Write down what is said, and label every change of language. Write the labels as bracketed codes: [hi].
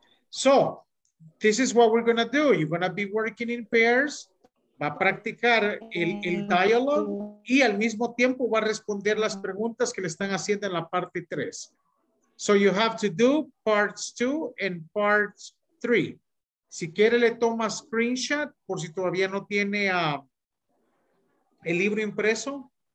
[en] So, this is what we're going to do. You're going to be working in pairs. [es] Va a practicar el dialogue y al mismo tiempo va a responder las preguntas que le están haciendo en la parte 3. [en] So you have to do parts 2 and parts 3. [es] Si quiere le toma screenshot por si todavía no tiene el libro impreso.